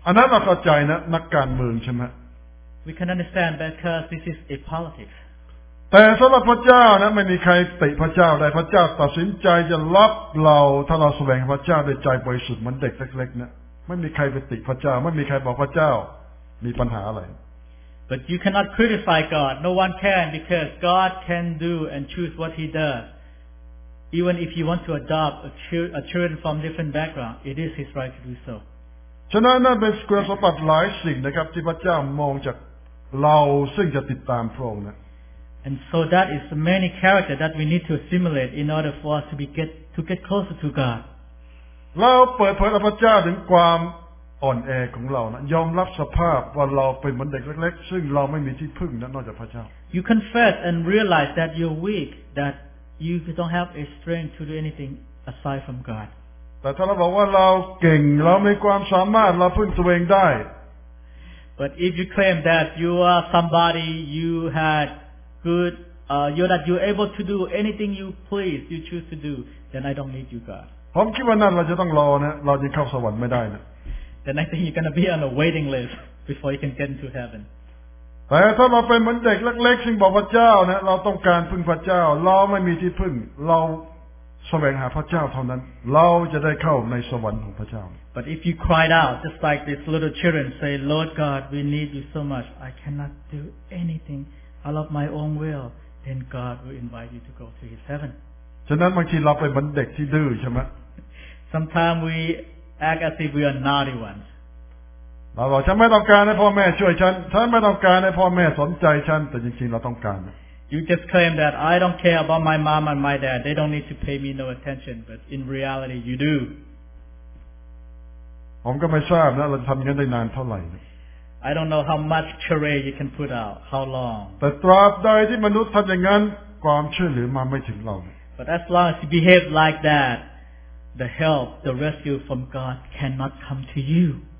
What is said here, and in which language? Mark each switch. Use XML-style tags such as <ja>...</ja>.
<en>We can understand because this is a politics.</en> <th>แต่สำหรับพระเจ้านะไม่มีใครติพระเจ้าได้พระเจ้าตัดสินใจจะรับเราถ้าเราแสวงพระเจ้าด้วยใจบริสุทธิ์เหมือนเด็กเล็กๆนะไม่มีใครไปติพระเจ้าไม่มีใครบอกพระเจ้ามีปัญหาอะไร</th> <en>But you cannot criticize God. No one can because God can do and choose what He does. Even if you want to adopt a children from different background, it is His right to do so.</en> <th>ฉะนั้นนั่นเป็นคุณสมบัติหลายสิ่งนะครับที่พระเจ้ามองจากเราซึ่งจะติดตามพระองค์นะ</th> <en>And so that is the many character that we need to assimilate in order for us to get closer to God.</en> <th>เราเปิดเผยต่อพระเจ้าถึงความอ่อนแอของเรานะยอมรับสภาพว่าเราเป็นเหมือนเด็กเล็กๆซึ่งเราไม่มีที่พึ่งนอกจากพระเจ้า</th> <en>You confess and realize that you're weak, that you don't have a strength to do anything aside from God.</en> <th>แต่ถ้าเราบอกว่าเราเก่งเรามีความสามารถเราพึ่งตัวเองได้</th> <en>But if you claim that you are somebody you hadGood, that you're able to do anything you please, you choose to do, then I don't need you, God.</en> <th>ผมคิดว่านั่นเราจะต้องรอนะเราจะเข้าสวรรค์ไม่ได้นะ</th> <en>Then I think you're gonna be on a waiting list before you can get into heaven.</en> <th>แต่ถ้าเราเป็นเหมือนเด็กเล็กๆซึ่งบอกพระเจ้านะเราต้องการพึ่งพระเจ้าเราไม่มีที่พึ่งเราแสวงหาพระเจ้าเท่านั้นเราจะได้เข้าในสวรรค์ของพระเจ้า</th> <en>But if you cried out, just like these little children, say, Lord God, we need you so much, I cannot do anything. I love my own will, then God will invite you to go to His heaven.</en> <th>ฉะนั้นบางทีเราเป็นเหมือนเด็กที่ดื้อใช่ไหม</th> <en>Sometimes we act as if we are naughty ones.</en> <th>เราบอกฉันไม่ต้องการให้พ่อแม่ช่วยฉันไม่ต้องการให้พ่อแม่สนใจฉันแต่จริงๆเราต้องการ</th> <en>You just claim that I don't care about my mom and my dad. They don't need to pay me no attention. But in reality, you do. I don't know how much charade you can put out. How long. But as long as you behave like that, the help, the rescue from God cannot come to you.</en>